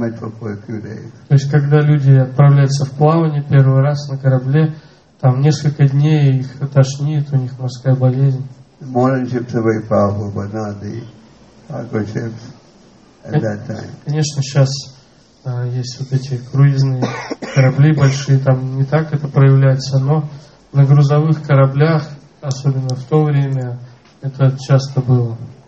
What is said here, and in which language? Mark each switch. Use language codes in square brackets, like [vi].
[ru] То есть когда люди отправляются в плавание первый раз на корабле, там несколько дней их тошнит, у них морская болезнь. [en] Modern ships are very powerful, but not the cargo ships at that time. [ru] Конечно, сейчас есть вот эти круизные корабли большие, там не так это проявляется, но на грузовых кораблях, особенно в то время, это часто было.